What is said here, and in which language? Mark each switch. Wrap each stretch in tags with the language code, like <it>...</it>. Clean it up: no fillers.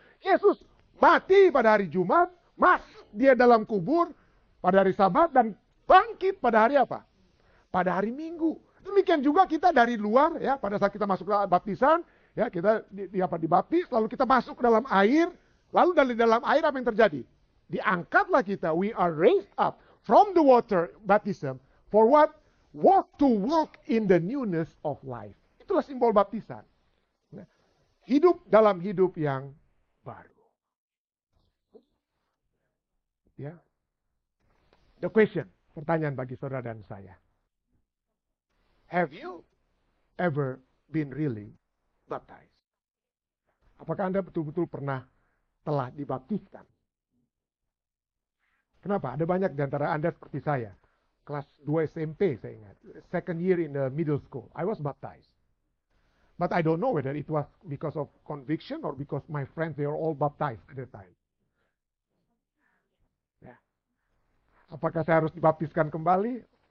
<id>Yesus mati pada hari Jumat, masuk dia dalam kubur pada hari Sabat, dan bangkit pada hari apa? Pada hari Minggu. Demikian juga kita dari luar ya, pada saat kita masuk ke baptisan ya, kita dibaptis, lalu kita masuk ke dalam air, lalu dari dalam air apa yang terjadi? Diangkatlah kita,</id> <en>we are raised up from the water baptism for what? Walk to walk in the newness of life.</en> <id>Itulah simbol baptisan. Hidup dalam hidup yang baru. Ya.</id> <en>The question,</en> <id>pertanyaan bagi saudara dan saya.</id> <en>Have you ever been really baptized?</en> <id>Apakah Anda betul-betul pernah telah dibaptiskan? Kenapa? Ada banyak di antara Anda seperti saya. Kelas 2 SMP saya ingat.</id> <en>Second year in the middle school. I was baptized. But I don't know whether it was because of conviction or because my friends, they are all baptized at the time. Yeah.</en> <id>Apakah saya harus dibaptiskan kembali?</id>